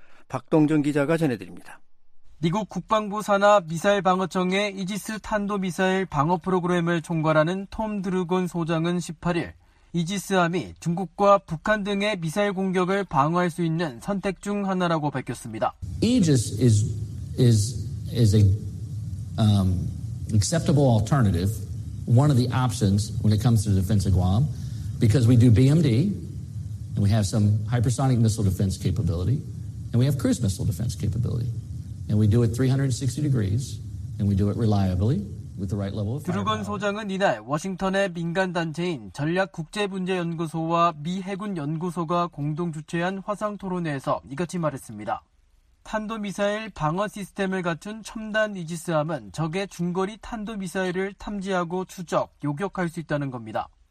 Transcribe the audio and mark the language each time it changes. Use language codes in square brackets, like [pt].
[ko] 박동정 기자가 전해드립니다. 미국 국방부 산하 미사일 방어청의 이지스 탄도미사일 방어 프로그램을 총괄하는 톰 드루건 소장은 18일 이지스함이 중국과 북한 등의 미사일 공격을 방어할 수 있는 선택 중 하나라고 밝혔습니다. [en] Aegis is a acceptable alternative, one of the options when it comes to the defense of Guam, because we do BMD and we have some hypersonic missile defense capability and we have cruise missile defense capability and we do it 360 degrees and we do it reliably. [ko] 드루건 소장은 이날 워싱턴의 민간단체인 전략국제문제연구소와 미 해군연구소가 공동 주최한 화상토론회에서 이같이 말했습니다. 탄도미사일 방어 시스템을 갖춘 첨단 이지스함은 적의 중거리 탄도미사일을 탐지하고 추적, 요격할 수 있다는 겁니다.